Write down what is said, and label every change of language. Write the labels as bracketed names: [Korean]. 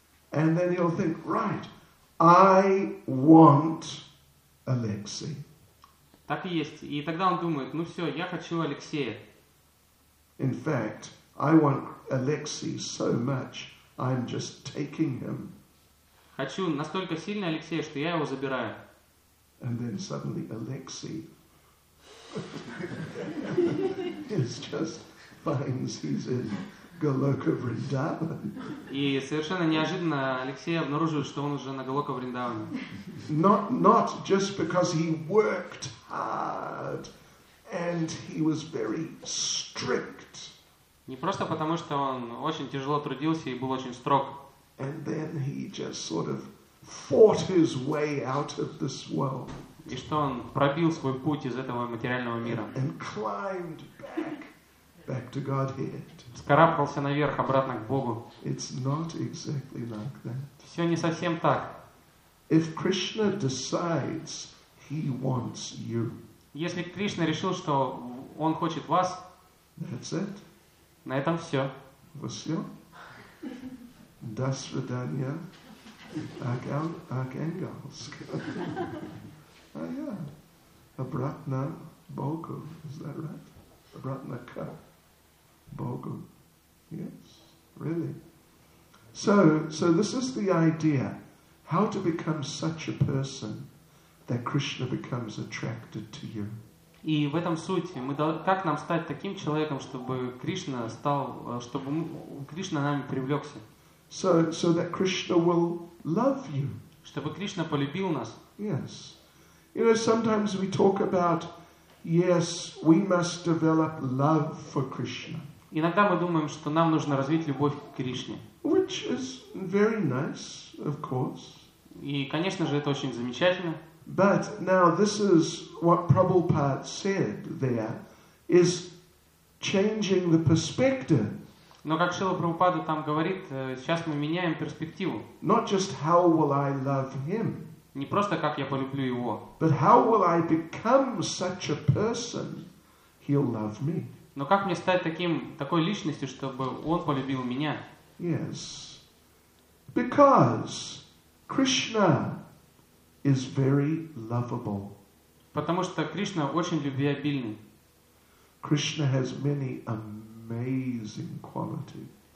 [English] And then you'll think, right, I want Alexei. [Russian] Так и есть. И тогда он думает, ну все, я хочу Алексея. [English] In fact, I want Alexei so much, I'm just taking him. [Russian] Хочу настолько сильно Алексея, что я его забираю. [English] And then suddenly Alexei just finds he's in Goloka Vrindavan. [Russian] И совершенно неожиданно Алексей обнаруживает, что он уже на Голока Вриндаване. [English] Not just because he worked hard and he was very strict. [Russian] Не просто потому, что он очень тяжело трудился и был очень строг. [English] And then he just sort of fought his way out of this world. [Russian] И что он пробил свой путь из этого материального мира. [English] And climbed back to Godhead. [Russian] Вскарабкался наверх, обратно к Богу. [English] It's not exactly like that. [Russian] Все не совсем так. [English] If Krishna decides he wants you. [Russian] Если Кришна решил, что он хочет вас. [English] That's it. [Russian] На этом все. Все. До свидания. Архангельск. А я. Обратно к Богу. [English] Is that right? [Russian] Обратно к Богу. [English] Yes, really. So this is the idea. How to become such a person that Krishna becomes attracted to you. [Russian] И в этом суть. Как нам стать таким человеком, чтобы Кришна нами привлекся? [English] So that Krishna will love you. [Russian] Чтобы Кришна полюбил нас. [English] Yes. You know, sometimes we talk about, yes, we must develop love for Krishna. [Russian] Иногда мы думаем, что нам нужно развить любовь к Кришне. [English] Which is very nice, of course. [Russian] И, конечно же, это очень замечательно. [English] But now this is what Prabhupada said there, is changing the perspective. [Russian] Но как Шрила Прабхупада там говорит, сейчас мы меняем перспективу. [English] Not just how will I love him. [Russian] Не просто как я полюблю его. [English] But how will I become such a person, he'll love me. [Russian] Но как мне стать такой личностью, чтобы он полюбил меня? [English] Yes. Because Krishna is very lovable. [Russian] Потому что Кришна очень любвеобильный. [English] Krishna has many amazing qualities.